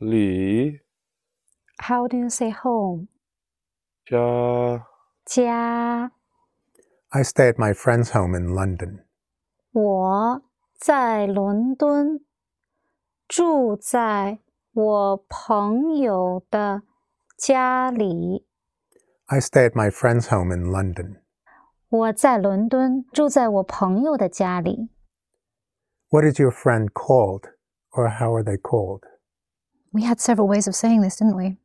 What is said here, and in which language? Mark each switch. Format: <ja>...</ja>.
<zh>我在伦敦住在我朋友的家里。</zh> <en>How do you say home?</en> <zh>家。家。</zh> <en>I stay at my friend's home in London.</en> <zh>我在伦敦住在我朋友的家里。</zh> <en>I stay at my friend's home in London.</en> <zh>我在伦敦住在我朋友的家里。</zh> <en>What is your friend called, or how are they called? We had several ways of saying this, didn't we?</en>